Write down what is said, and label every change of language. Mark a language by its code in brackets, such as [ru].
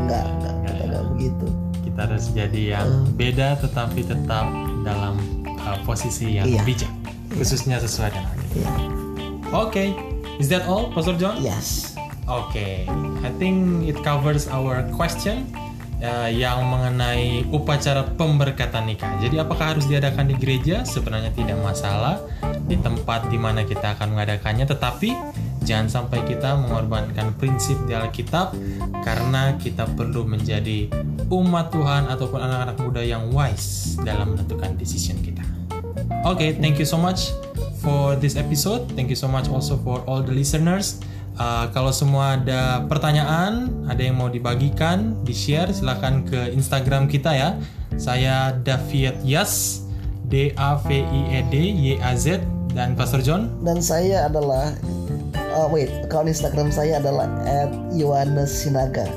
[id] Enggak, kita nggak begitu. Kita harus jadi yang beda tetapi tetap dalam posisi yang bijak. Khususnya sesuai dengan hal ini. [en] Oke, is that all, Pastor John? Yes. Oke, okay. I think it covers our question. [id] Yang mengenai upacara pemberkatan nikah. Jadi apakah harus diadakan di gereja? Sebenarnya tidak masalah di tempat di mana kita akan mengadakannya. Tetapi jangan sampai kita mengorbankan prinsip di Alkitab, karena kita perlu menjadi umat Tuhan ataupun anak-anak muda yang wise dalam menentukan decision kita. [en] Oke, okay, thank you so much for this episode. Thank you so much also for all the listeners. [id] Kalau semua ada pertanyaan, ada yang mau dibagikan, di-share, silakan ke Instagram kita ya. Saya David Yaz, DAVIEDYAZ, dan Pastor John. Dan saya adalah, kalau Instagram saya adalah @yohannessinaga.